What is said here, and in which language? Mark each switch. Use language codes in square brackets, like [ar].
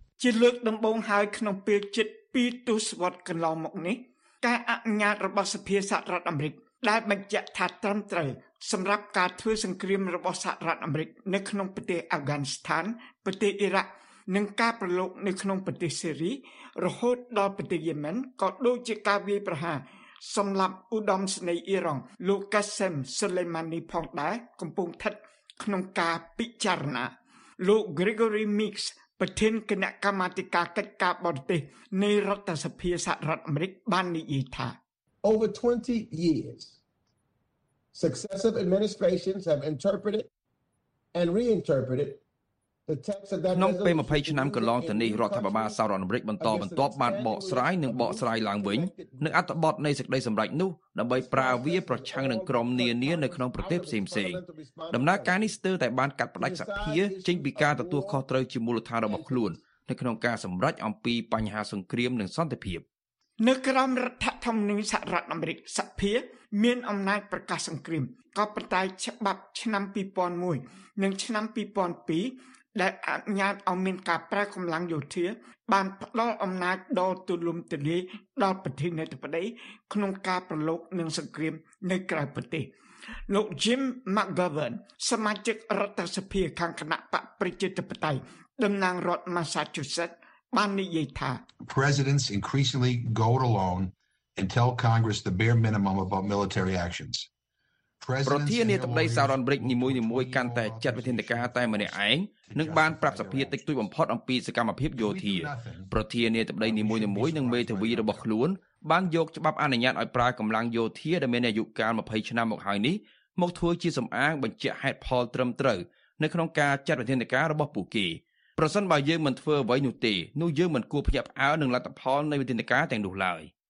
[km] ជាលើកដំបូងហើយក្នុងពេលជិតពីទស្សវត្សកន្លងមកនេះការអនុញ្ញាតរបស់សភាសហរដ្ឋអាមេរិកដែលបញ្ជាក់ថាត្រឹមត្រូវសម្រាប់ការធ្វើសង្គ្រាមរបស់សហរដ្ឋអាមេរិកនៅក្នុងប្រទេសអាហ្វហ្គានីស្ថានប្រទេសអ៊ីរ៉ាក់និងការប្រឡូកនៅក្នុងប្រទេសសេរីរហូតដល់ប្រទេសយេម៉ែនក៏ដូចជាការវាយប្រហារ សម្លាប់ឧត្តមសេនីយ៍អ៊ីរ៉ង់លោកកាសេមសូឡេម៉ានីផងដែរកំពុងស្ថិតក្នុងការពិចារណាលោក Gregory Meeksប្រធានគណៈកម្មាធិការកិច្ចការបរទេសនៃរដ្ឋសភាសហរដ្ឋអាមេរិកបាននិយាយថា [en] Over 20 years successive administrations have interpreted and reinterpreted the text of that [km] នៅពេល20ឆ្នាំកន្លងទៅនេះរដ្ឋាភិបាលសហរដ្ឋអាមេរិកបន្តបានបកស្រាយនិងបកស្រាយឡើងវិញនៅអត្ថបទនៃសេចក្តីសម្រេចនោះដើម្បីប្រាវវាប្រឆាំងនឹងក្រុមនានានៅក្នុងប្រទេសផ្សេងៗដំណើរការនេះស្ទើរតែបានកាត់ផ្តាច់សភាចេញពីការទទួលខុសត្រូវជាមូលដ្ឋានរបស់ខ្លួននៅក្នុងការសម្រេចអំពីបញ្ហាសង្គ្រាមនិងសន្តិភាព នៅក្រមរដ្ឋធម្មនុញ្ញសហរដ្ឋអាមេរិកសភាមានអំណាចប្រកាសសង្គ្រាមក៏ប៉ុន្តែច្បាប់ឆ្នាំ2001និងឆ្នាំ2002ដែលអនុញ្ញាតឲ្យមានការប្រើកម្លាំងយោធាបានផ្ដល់អំណាចដល់ទូលំទូលាយដល់ប្រធានាធិបតីក្នុងការប្រឡូកនិងសង្គ្រាមនៅក្រៅប្រទេសលោក Jim McGovern សមាជិករដ្ឋសភាខាងគណៈបកប្រជាធិបតេយ្យតំណាងរដ្ឋ Massachusetts បាននិយាយថា [en] Presidents increasingly go it alone and tell Congress the bare minimum about military actions [km] ប្រធានាធិបតីសហរដ្ឋអាមេរិកនីមួយៗកាន់តែចាត់វិធានការតែម្នាក់ឯងនឹងបានប្រាប់សភាតិចតួចបំផុតអំពីសកម្មភាពយោធាប្រធានាធិបតីនីមួយៗនិងមេធាវីរបស់ខ្លួនបានយកច្បាប់អនុញ្ញាតឲ្យប្រើកម្លាំងយោធាដែលមានអាយុកាល20ឆ្នាំមកហើយនេះមកធ្វើជាសំអាងបញ្ជាក់ហេតុផលត្រឹមត្រូវនៅក្នុងការចាត់វិធានការរបស់ពួកគេប្រសិនបើយើងមិនធ្វើអ្វីនោះទេនោះយើងមិនគួរភ្ញាក់ផ្អើលនឹងលទ្ធផលនៃវិធានការទាំងនោះឡើយ